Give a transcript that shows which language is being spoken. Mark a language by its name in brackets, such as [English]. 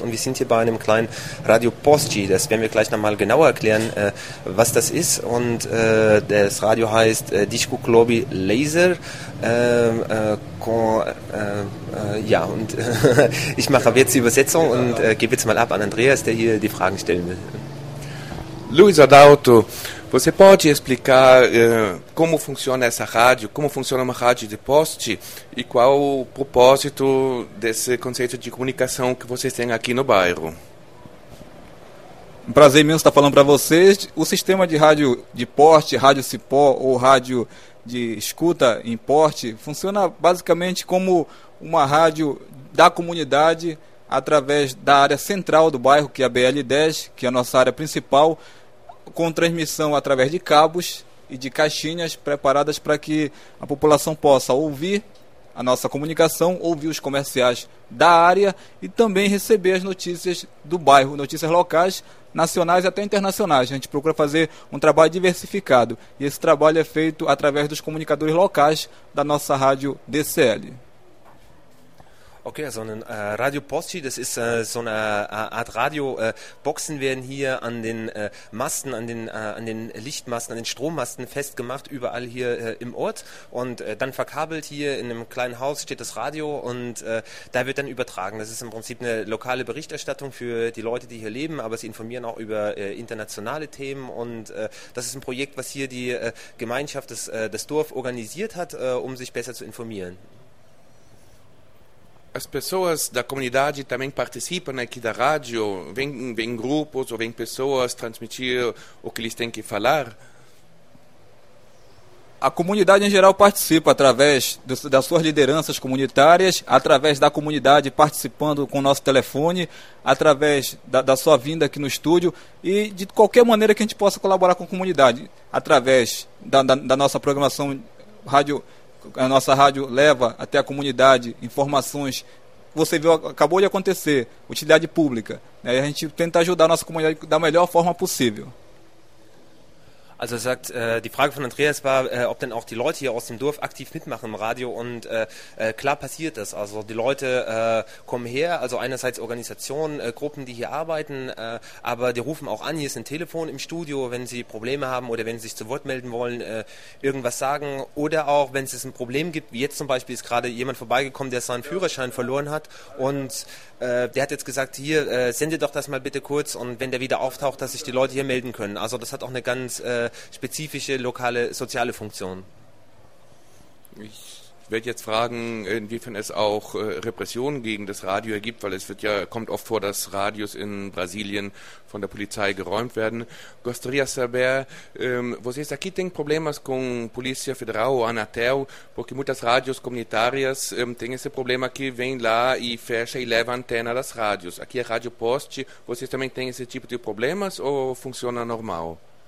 [German] Und wir sind hier bei einem kleinen Radio Postchi. Das werden wir gleich nochmal genauer erklären, was das ist. Und das Radio heißt Disco Globi Laser. Ich mache aber jetzt die Übersetzung und gebe jetzt mal ab an Andreas, der hier die Fragen stellen will. [Portuguese] Luiz Adalto, você pode explicar como funciona essa rádio, como funciona uma rádio de poste e qual o propósito desse conceito de comunicação que vocês têm aqui no bairro? Um prazer imenso estar falando para vocês. O sistema de rádio de poste, rádio Cipó ou rádio de escuta em poste, funciona basicamente como uma rádio da comunidade através da área central do bairro, que é a BL10, que é a nossa área principal, com transmissão através de cabos e de caixinhas preparadas para que a população possa ouvir a nossa comunicação, ouvir os comerciais da área e também receber as notícias do bairro, notícias locais, nacionais e até internacionais. A gente procura fazer um trabalho diversificado e esse trabalho é feito através dos comunicadores locais da nossa rádio DCL. [German] Okay, also ein Radio Posti, das ist so eine Art Radio. Boxen werden hier an den Masten, an den Lichtmasten, an den Strommasten festgemacht, überall hier im Ort. Und dann verkabelt hier in einem kleinen Haus steht das Radio und da wird dann übertragen. Das ist im Prinzip eine lokale Berichterstattung für die Leute, die hier leben, aber sie informieren auch über internationale Themen. Und das ist ein Projekt, was hier die Gemeinschaft, das Dorf organisiert hat, um sich besser zu informieren. [Portuguese] As pessoas da comunidade também participam aqui da rádio? Vêm grupos ou vêm pessoas transmitir o que eles têm que falar? A comunidade em geral participa através das suas lideranças comunitárias, através da comunidade participando com o nosso telefone, através da sua vinda aqui no estúdio e de qualquer maneira que a gente possa colaborar com a comunidade, através da nossa programação rádio. A nossa rádio leva até a comunidade informações. Você viu, acabou de acontecer, utilidade pública. Né? E a gente tenta ajudar a nossa comunidade da melhor forma possível. [German] Also sagt, die Frage von Andreas war, ob denn auch die Leute hier aus dem Dorf aktiv mitmachen im Radio, und klar passiert das. Also die Leute kommen her, also einerseits Organisationen, Gruppen, die hier arbeiten, aber die rufen auch an, hier ist ein Telefon im Studio, wenn sie Probleme haben oder wenn sie sich zu Wort melden wollen, irgendwas sagen, oder auch, wenn es ein Problem gibt, wie jetzt zum Beispiel ist gerade jemand vorbeigekommen, der seinen Führerschein verloren hat, und der hat jetzt gesagt, hier, sende doch das mal bitte kurz, und wenn der wieder auftaucht, dass sich die Leute hier melden können. Also das hat auch eine ganz spezifische lokale soziale Funktion. Ich werde jetzt fragen, inwiefern es auch Repressionen gegen das Radio ergibt, weil es wird ja, kommt oft vor, dass Radios in Brasilien von der Polizei geräumt werden. [Portuguese] Gostaria saber, vocês aqui têm problemas com Polícia Federal ou Anatel, porque muitas rádios comunitárias têm esse problema que vem lá e fecha e leva a antena das rádios. Aqui é Rádio Poste, vocês também têm esse tipo de problemas ou funciona normal?